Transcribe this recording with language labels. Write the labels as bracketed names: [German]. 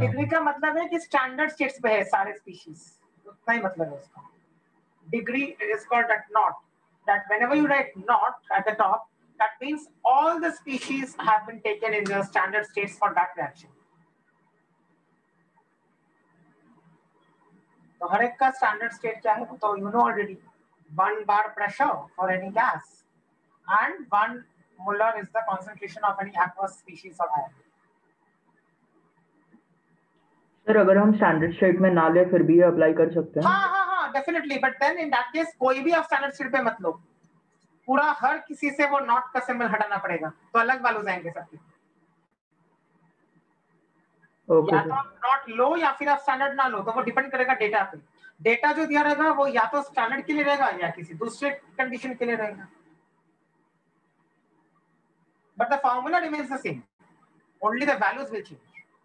[Hindi] Degree का मतलब है कि स्टैंडर्ड स्टेट्स पे है सारे स्पीशीज उतना ही मतलब है उसका [English] degree is called at naught that whenever you write naught at the top that means all the species have been taken in your standard states for that reaction [Hindi] तो हर एक का स्टैंडर्ड स्टेट क्या है तो [English] You know already 1 bar pressure for any gas and 1 molar is the concentration of any aqueous species or ion. [Hindi] Sir, अगर हम standard state में ना ले फिर भी apply कर सकते हैं? हाँ हाँ हाँ, definitely. [English] But then in that case [Hindi] कोई भी आप [English] standard state [Hindi] पे मत लो. पूरा हर किसी से वो not का symbol हटाना पड़ेगा. तो अलग बाल हो जाएंगे सबके. [English] Okay. [Hindi] या तो आप not लो या फिर आप standard ना लो. तो वो depend करेगा data पे. Data जो दिया रहेगा वो या तो standard के लिए रहेगा या किसी दूसरे condition के लिए रहेगा. [English] But the formula remains the same. Only the values will change.